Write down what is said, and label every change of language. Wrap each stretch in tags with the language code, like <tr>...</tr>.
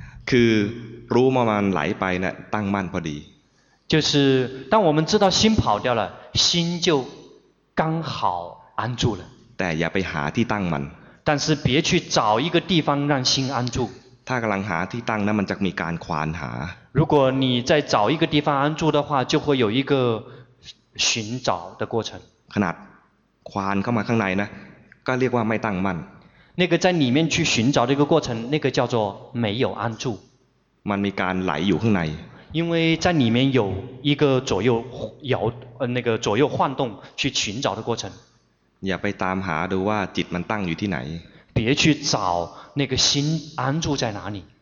<th>คือรู้มามันไหลไปน่ะตั้งมั่นพอดี</th> <zh>就是当我们知道心跑掉了心就刚好安住了</zh> <th>แต่อย่าไปหาที่ตั้งมัน</th> <zh>但是别去找一个地方让心安住</zh> <th>ถ้ากำลังหาที่ตั้งนั้นมันจะมีการควานหา</th> <zh>如果你在找一个地方安住的话就会有一个寻找的过程</zh> <th>ขนาดควานเข้ามาข้างในนะก็เรียกว่าไม่ตั้งมั่น</th> <zh>那个在里面去寻找的一个过程那个叫做没有安住</zh> <th>มันมีการไหลอยู่ข้างใน</th> <zh>因为在里面有一个左右摇那个左右晃动去寻找的过程</zh> <th>อย่าไปตามหาดูว่าจิตมันตั้งอยู่ที่ไหน</th> <zh>别去找那个心安住在哪里</zh>